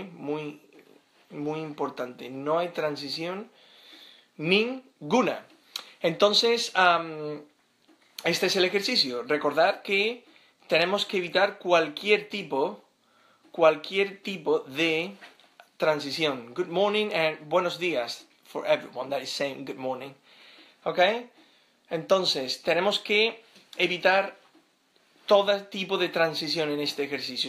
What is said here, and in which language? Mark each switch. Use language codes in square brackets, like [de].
[es] Muy, muy importante. No hay transición ninguna. Entonces, este es el ejercicio. Recordad que tenemos que evitar cualquier tipo de transición. [en] Good morning and [es] buenos días [en] for everyone that is saying good morning. [es] ¿Ok? Entonces, tenemos que evitar todo tipo de transición en este ejercicio.